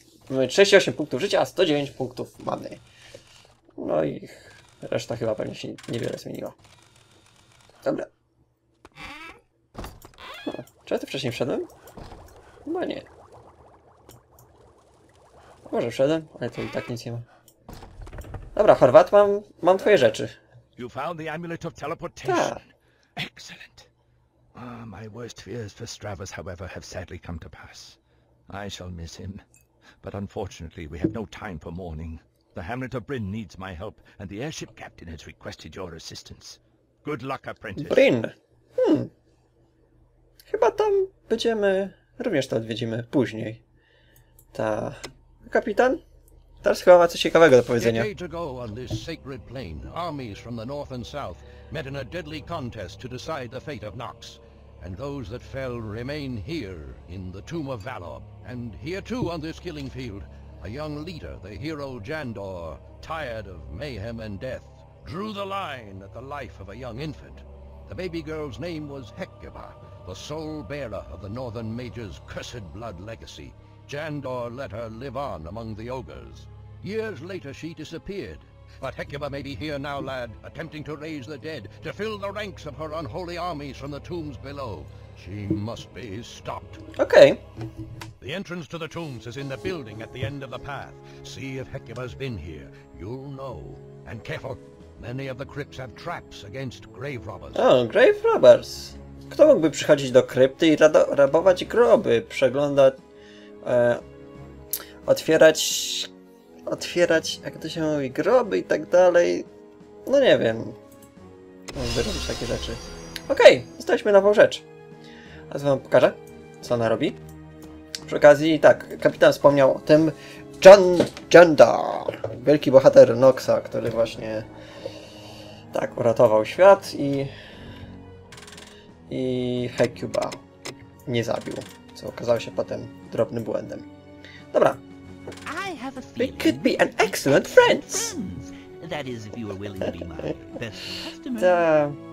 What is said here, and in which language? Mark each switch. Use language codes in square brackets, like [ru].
[pl] Mamy 38 punktów życia, a 109 punktów many. No i reszta chyba pewnie się niewiele zmieniła. Dobra. Czy ja tu wcześniej wszedłem? Chyba nie. Może wszedłem, ale to i tak nic nie ma. Dobra, Horvat, mam twoje rzeczy. [en] You found the amulet of teleportation. Excellent. Ah, my worst fears for Stravers, however, have sadly come to pass. I shall miss him. But unfortunately, we have no time for mourning. The hamlet of Bryn needs my help, and the airship captain has requested your assistance. Good luck, apprentice. [pl] Bryn. Hmm. Chyba tam będziemy. Również to odwiedzimy później. Ta. Kapitan? Teraz chyba ma coś ciekawego do powiedzenia. [en] Decades ago on this sacred plain, armies from the north and south met in a deadly contest to decide the fate of Nox. And those that fell remain here in the tomb of Valor. And here too on this killing field, a young leader, the hero Jandor, tired of mayhem and death, drew the line at the life of a young infant. The baby girl's name was Hecuba, the sole bearer of the northern mage's cursed blood legacy. Jandor let her live on among the ogres. Years later she disappeared. But Hecuba may be here now, lad, attempting to raise the dead, to fill the ranks of her unholy armies from the tombs below. She must be stopped. Okay. The entrance to the tombs is in the building at the end of the path. See if Hecuba's been here. You'll know. And careful, many of the crypts have traps against grave robbers. Oh, grave robbers. [pl] Kto mógłby przychodzić do krypty i rabować groby, przeglądać, otwierać... Otwierać, jak to się mówi, groby i tak dalej. No nie wiem. Mogę robić takie rzeczy. Okej, dostaliśmy nową rzecz. A co wam pokażę, co ona robi. Przy okazji, tak, kapitan wspomniał o tym Janda, wielki bohater Noxa, który właśnie tak uratował świat i Hecuba nie zabił, co okazało się potem drobnym błędem. Dobra. [en] We could be an excellent friends. That is, if you are willing to be my best customer.